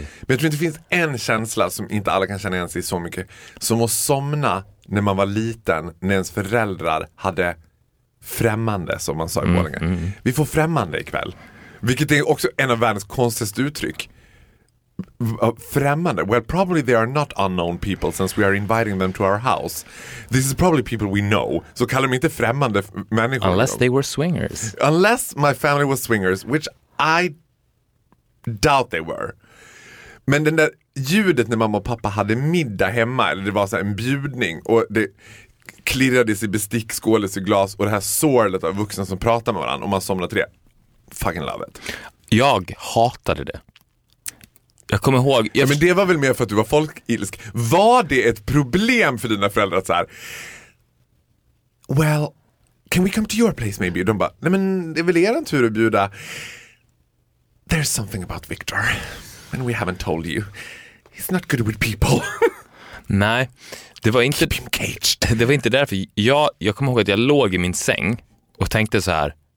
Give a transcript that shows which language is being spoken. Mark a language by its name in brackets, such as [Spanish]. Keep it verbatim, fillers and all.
[Swedish] Men jag tror inte det finns en känsla som inte alla kan känna igen sig så mycket. Som att somna när man var liten, när ens föräldrar hade främmande, som man sa i Borlänge. Mm, mm. Vi får främmande ikväll. Vilket är också en av världens konstigaste uttryck. Främmande. [English] Well, probably they are not unknown people since we are inviting them to our house. This is probably people we know. [Swedish] Så kallar de inte främmande f- människor. [English] Unless they were swingers. Unless my family was swingers, which I doubt they were. [Swedish] Men den där ljudet när mamma och pappa hade middag hemma, eller det var så här en bjudning och det klirrades i bestick, skålades i glas och det här sorlet av vuxna som pratar med varandra och man somnar till det. [English] Fucking love it. [Swedish] Jag hatade det. Jag kommer ihåg... Jag... Ja, men det var väl mer för att du var folkilsk. Var det ett problem för dina föräldrar att så här... [English] Well, can we come to your place maybe? [Swedish] Och de bara, nej men det är väl er en tur att bjuda... [English] There's something about Victor. And we haven't told you. He's not good with people. [Swedish] Nej, det var inte... [English] Keep him caged. [Swedish] Det var inte därför. Jag, jag kommer ihåg att jag låg i min säng och tänkte så här...